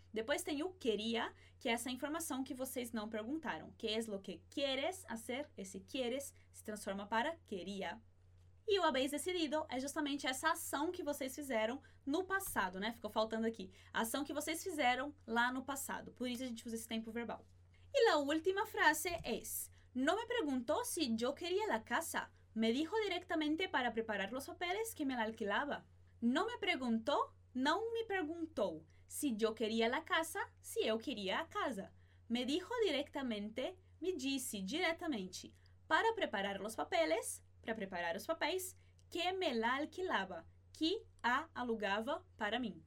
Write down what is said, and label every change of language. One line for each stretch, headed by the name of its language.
Portuguese: Depois tem o queria, que é essa informação que vocês não perguntaram. Que es lo que quieres hacer, esse quieres se transforma para queria. E o habéis decidido é justamente essa ação que vocês fizeram no passado, né? Ficou faltando aqui. A ação que vocês fizeram lá no passado. Por isso a gente usa esse tempo verbal. E a última frase é:
Spanish: no me preguntó si yo quería la casa. Me dijo directamente para preparar los papeles que me la alquilaba. No me preguntó,
Portuguese: não me perguntou,
Spanish: si yo quería la casa,
Portuguese: si eu queria a casa.
Spanish: Me dijo directamente,
Portuguese: me disse diretamente,
Spanish: para preparar los papeles,
Portuguese: para preparar os papéis,
Spanish: que me la alquilaba,
Portuguese: que a alugava para mim.